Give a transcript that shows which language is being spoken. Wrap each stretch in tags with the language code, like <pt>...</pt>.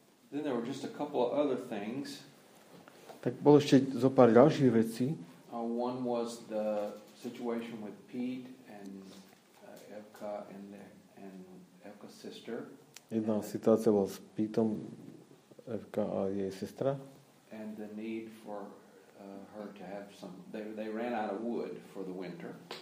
<en>Then there were just a couple of other things.</en> <sk>Tak bolo ešte zo pár ďalších vecí.</sk> <en>One was the situation with Pete and Evka and Evka's sister.</en> <sk>Jedna situácia bola s Pitom, Evka a jej sestra.</sk> <en>And the need for her to have some, they ran out of wood for the winter.</en>